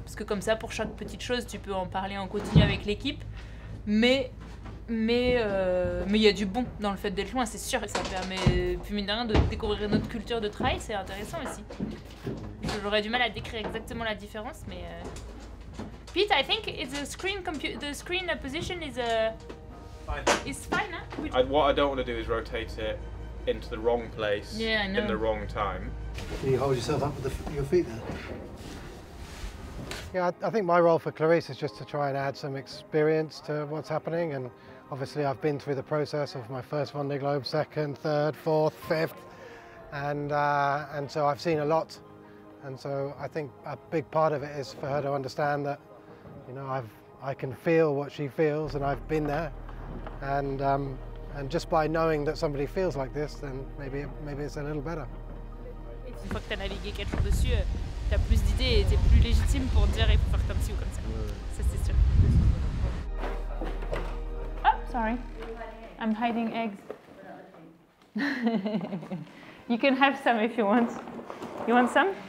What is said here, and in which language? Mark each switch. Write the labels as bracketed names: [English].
[French] Parce que comme ça, pour chaque petite chose, tu peux en parler en quotidien avec l'équipe. Mais il y a du bon dans le fait d'être loin, c'est sûr. Et ça permet, plus mine de rien, de découvrir notre culture de travail, c'est intéressant aussi. J'aurais du mal à décrire exactement la différence, mais... [English] Pete, I think it's the screen position is fine, huh? What I don't want to do is rotate it into the wrong place, yeah, I know. In the wrong time. Can you hold yourself up with your feet then? Yeah, I think my role for Clarisse is just to try and add some experience to what's happening. And obviously I've been through the process of my first Vendée Globe, second, third, fourth, fifth. And so I've seen a lot. And so I think a big part of it is for her to understand that, you know, I can feel what she feels and I've been there. And just by knowing that somebody feels like this, then maybe it's a little better. [French] Une fois que tu as navigué quelque chose dessus, tu as plus d'idées et tu es plus légitime pour dire il faut faire comme ci ou comme ça. Ça, c'est sûr. [English] Oh, sorry. I'm hiding eggs. You can have some if you want. You want some?